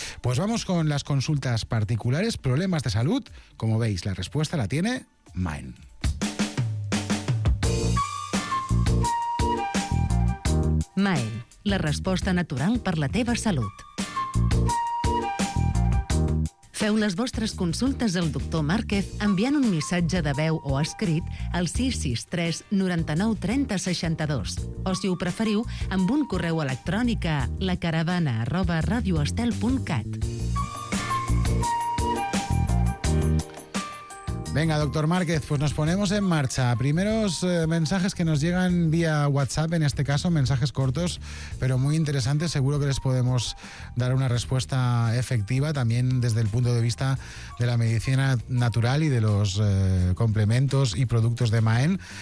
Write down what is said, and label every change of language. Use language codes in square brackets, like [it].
[es] Pues vamos con las consultas particulares, problemas de salud. Como veis, la respuesta la tiene Maen. Maen, la respuesta natural para la teva salud. [ca] Feu les vostres consultes al doctor Márquez enviant un missatge de veu o escrit al 663-99-30-62 o, si ho preferiu, amb un correu electrònic a lacaravana@radioestel.cat. [es] Venga, doctor Márquez, pues nos ponemos en marcha. Primeros mensajes que nos llegan vía WhatsApp, en este caso mensajes cortos, pero muy interesantes. Seguro que les podemos dar una respuesta efectiva también desde el punto de vista de la medicina natural y de los complementos y productos de Maen.